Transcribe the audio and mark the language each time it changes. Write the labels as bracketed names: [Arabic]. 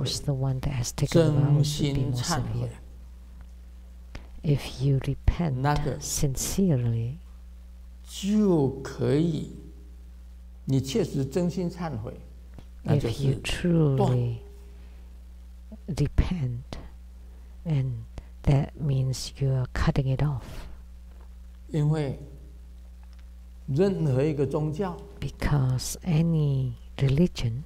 [English] and of course the one that has taken the vows would be more severe. If you repent [Chinese] 那个, [English] sincerely, [Chinese] 就可以, 你确实真心忏悔, [English] if you truly repent, and that means you are cutting it off. [Chinese] 因为任何一个宗教, [English] because any religion,